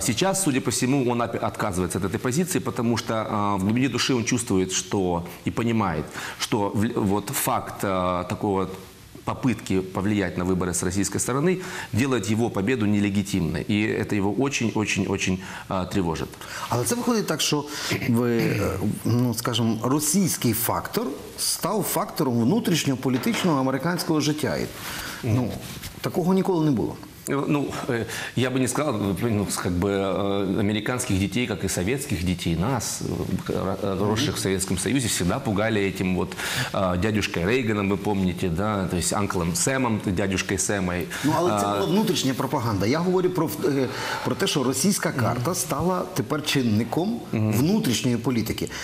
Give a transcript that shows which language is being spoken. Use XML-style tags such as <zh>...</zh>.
<ru>Сейчас, судя по всему, он отказывается от этой позиции, потому что в глубине души он чувствует, что и понимает, что вот факт такого попытки повлиять на выборы с российской стороны делает его победу нелегитимной. И это его очень-очень-очень тревожит.</ru> <uk>Але це виходить так, що ви, ну, скажімо, російський фактор став фактором внутрішнього політичного американського життя. Ну, такого ніколи не було.</uk> <ru>Ну, я бы не сказал, ну, как бы, американских детей, как и советских детей, нас, росших в Советском Союзе, всегда пугали этим вот дядюшкой Рейганом, вы помните, да, то есть анклом Сэмом, дядюшкой Сэмой.</ru> <uk>Ну, але це була внутрішня пропаганда. Я говорю про те, що російська карта стала тепер чинником внутрішньої політики.</uk>